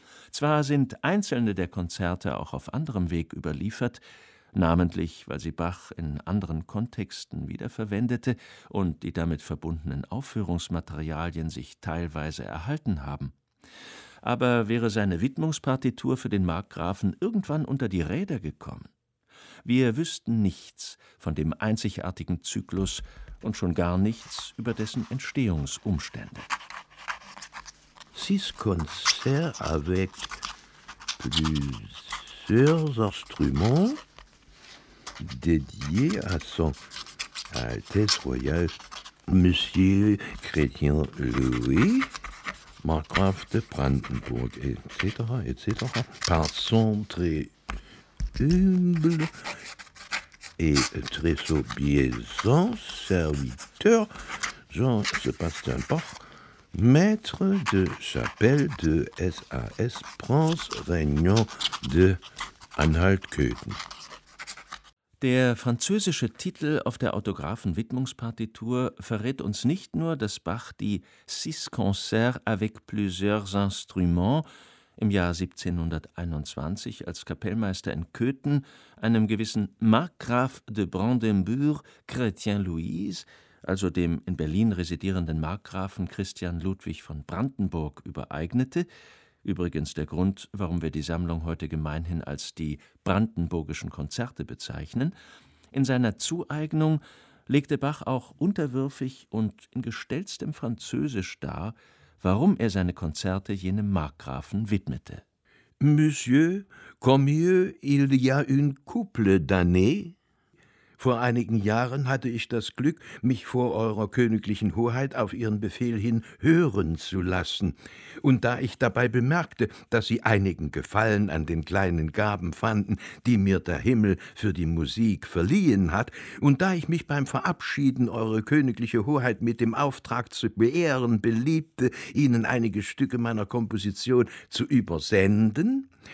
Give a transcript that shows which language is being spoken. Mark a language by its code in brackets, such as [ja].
[de] Zwar sind einzelne der Konzerte auch auf anderem Weg überliefert, namentlich weil sie Bach in anderen Kontexten wiederverwendete und die damit verbundenen Aufführungsmaterialien sich teilweise erhalten haben. Aber wäre seine Widmungspartitur für den Markgrafen irgendwann unter die Räder gekommen? Wir wüssten nichts von dem einzigartigen Zyklus und schon gar nichts über dessen Entstehungsumstände. [fr] Six concerts avec plusieurs instruments dédiés à son Altesse royale Monsieur Christian Louis, Markgraf de Brandenburg, etc., etc., par son très humble et très obéissant serviteur Jean-Sébastien Bach, maître de chapelle de SAS Prince Régnant de Anhalt-Köthen. [de] Der französische Titel auf der Autographen-Widmungspartitur verrät uns nicht nur, dass Bach die Six Concerts avec plusieurs Instruments im Jahr 1721 als Kapellmeister in Köthen einem gewissen Markgraf de Brandenburg, Chrétien Louis, also dem in Berlin residierenden Markgrafen Christian Ludwig von Brandenburg, übereignete. Übrigens der Grund, warum wir die Sammlung heute gemeinhin als die Brandenburgischen Konzerte bezeichnen. In seiner Zueignung legte Bach auch unterwürfig und in gestelztem Französisch dar, warum er seine Konzerte jenem Markgrafen widmete. [fr] Monsieur, comme mieux il y a une couple d'années. [de] Vor einigen Jahren hatte ich das Glück, mich vor eurer königlichen Hoheit auf ihren Befehl hin hören zu lassen. Und da ich dabei bemerkte, dass sie einigen Gefallen an den kleinen Gaben fanden, die mir der Himmel für die Musik verliehen hat, und da ich mich beim Verabschieden eurer königlichen Hoheit mit dem Auftrag zu beehren beliebte, ihnen einige Stücke meiner Komposition zu übersenden,